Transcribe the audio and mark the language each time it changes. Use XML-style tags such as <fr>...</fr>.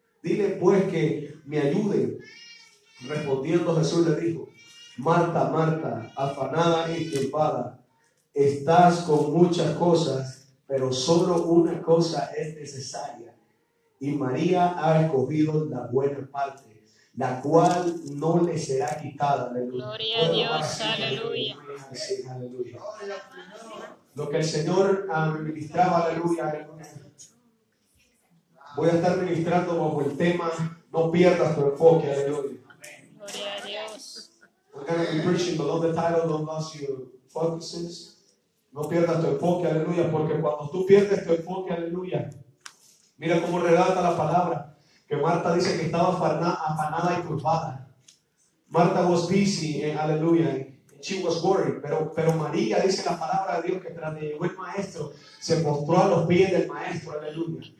<es>Dile pues que me ayude. Respondiendo Jesús le dijo: Marta, Marta, afanada y preocupada, estás con muchas cosas, pero solo una cosa es necesaria, y María ha escogido la buena parte, la cual no le será quitada. Aleluya. Gloria a Dios, aleluya. Sí, aleluya. Lo que el Señor ministraba, aleluya, aleluya. Voy a estar ministrando bajo el tema, no pierdas tu enfoque, aleluya. Gloria a Dios.</es> <en>We're going to be preaching below the title, don't lose your focuses.</en> <es>No pierdas tu enfoque, aleluya, porque cuando tú pierdes tu enfoque, aleluya, mira cómo relata la palabra, que Marta dice que estaba afanada y turbada.</es> <en>Marta was busy,</en> <es>aleluya,</es> <en>she was worried,</en> <es>pero María dice la palabra de Dios que tras de llegó el maestro, se postró a los pies del maestro, aleluya.</es>